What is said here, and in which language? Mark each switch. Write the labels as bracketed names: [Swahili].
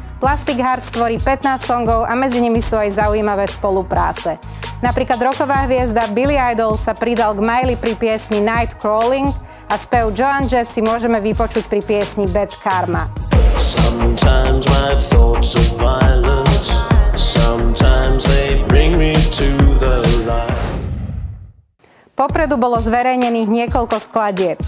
[Slovak] Plastic Hearts tvorí 15 songov a medzi nimi sú aj zaujímavé spolupráce. Napríklad rocková hviezda Billy Idol sa pridal k Miley pri piesni Night Crawling a spev Joan Jett si môžeme vypočuť pri piesni Bad Karma. [English] Sometimes my thoughts are violent, sometimes they bring me to the light. [Slovak] Popredu bolo zverejnených niekoľko skladieb.